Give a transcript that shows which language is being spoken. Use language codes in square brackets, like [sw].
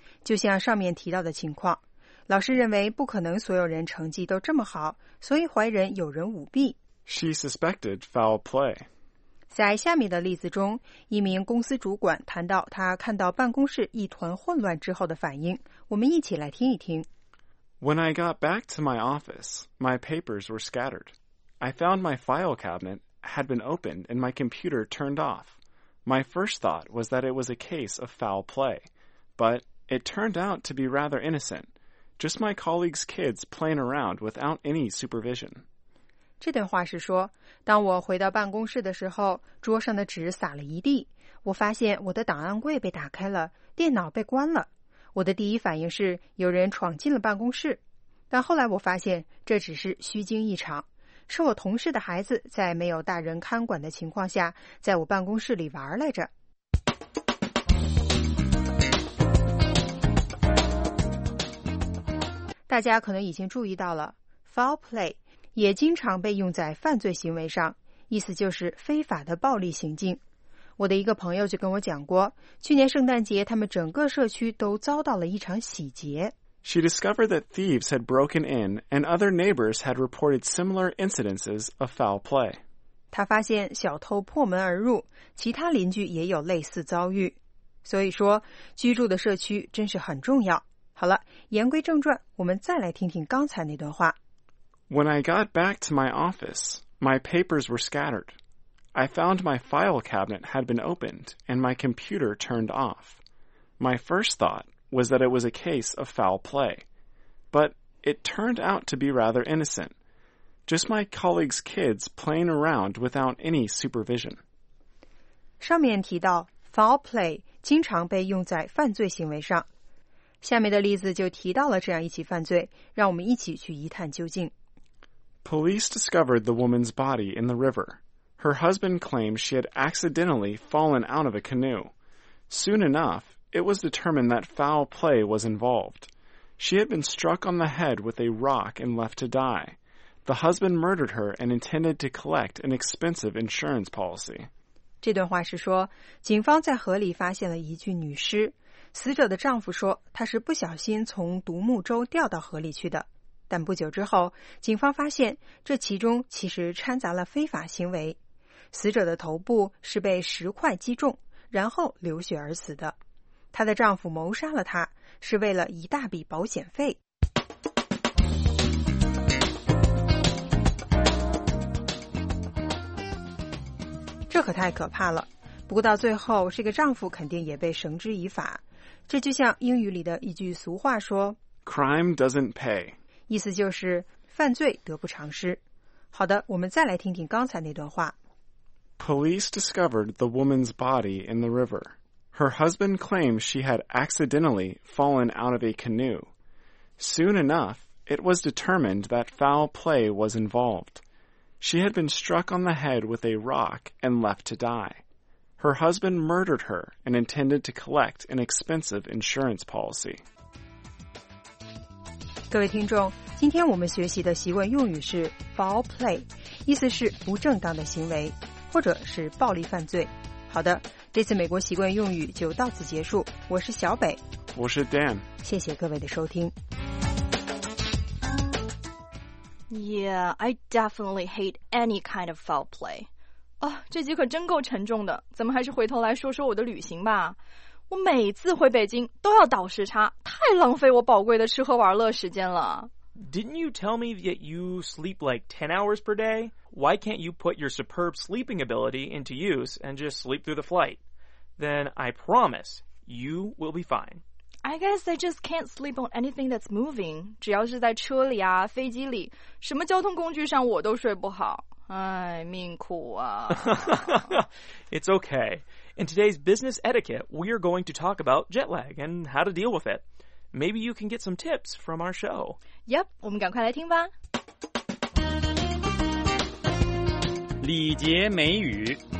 [zh] 就像上面提到的情况，老师认为不可能所有人成绩都这么好，所以怀人有人舞弊。 [en] She suspected foul play. [zh] 在下面的例子中，一名公司主管谈到他看到办公室一团混乱之后的反应，我们一起来听一听。 [en] When I got back to my office, my papers were scattered. I found my file cabinet had been opened and my computer turned off. My first thought was that it was a case of foul play, but it turned out to be rather innocent. Just my colleagues' kids playing around without any supervision. [zh] 这段话是说，当我回到办公室的时候，桌上的纸撒了一地，我发现我的档案柜被打开了，电脑被关了。我的第一反应是有人闯进了办公室，但后来我发现这只是虚惊一场，是我同事的孩子在没有大人看管的情况下在我办公室里玩来着。大家可能已经注意到了 foul play也经常被用在犯罪行为上，意思就是非法的暴力行径。我的一个朋友就跟我讲过，去年圣诞节他们整个社区都遭到了一场洗劫。 [en] She discovered that thieves had broken in and other neighbors had reported similar incidences of foul play. [zh] 她发现小偷破门而入，其他邻居也有类似遭遇。所以说，居住的社区真是很重要。好了，言归正传，我们再来听听刚才那段话。 [en] When I got back to my office, my papers were scattered. I found my file cabinet had been opened and my computer turned off. My first thought was that it was a case of foul play, but it turned out to be rather innocent. Just my colleague's kids playing around without any supervision. [zh] 上面提到 foul play 经常被用在犯罪行为上。下面的例子就提到了这样一起犯罪，让我们一起去一探究竟。 [en] Police discovered the woman's body in the river. Her husband claimed she had accidentally fallen out of a canoe. Soon enough, it was determined that foul play was involved. She had been struck on the head with a rock and left to die. The husband murdered her and intended to collect an expensive insurance policy. [zh] 这段话是说，警方在河里发现了一具女尸。死者的丈夫说，他是不小心从独木舟掉到河里去的。但不久之后，警方发现这其中其实掺杂了非法行为。死者的头部是被石块击中，然后流血而死的。她的丈夫谋杀了她，是为了一大笔保险费。这可太可怕了。不过到最后，这个丈夫肯定也被绳之以法。这就像英语里的一句俗话说 [en] Crime doesn't pay， [zh] 意思就是犯罪得不偿失。好的，我们再来听听刚才那段话。 Police discovered the woman's body in the river. Her husband claimed she had accidentally fallen out of a canoe. Soon enough, it was determined that foul play was involved. She had been struck on the head with a rock and left to die. Her husband murdered her and intended to collect an expensive insurance policy. 各位听众，今天我们学习的习惯用语是 foul play， 意思是不正当的行为，或者是暴力犯罪。好的，这次美国习惯用语就到此结束。我是小北，我是 Dan，谢谢各位的收听。 [en] Yeah, I definitely hate any kind of foul play. [zh] 啊，这集可真够沉重的，咱们还是回头来说说我的旅行吧。我每次回北京都要倒时差，太浪费我宝贵的吃喝玩乐时间了。 [en] Didn't you tell me that you sleep like 10 hours per day? Why can't you put your superb sleeping ability into use and just sleep through the flight? Then I promise you will be fine. I guess I just can't sleep on anything that's moving. [zh] 只要是在车里啊，飞机里，什么交通工具上我都睡不好。哎，命苦啊。 [en] It's okay. In today's business etiquette, we are going to talk about jet lag and how to deal with it. Maybe you can get some tips from our show. [zh] Yep, 我们赶快来听吧。礼节美语。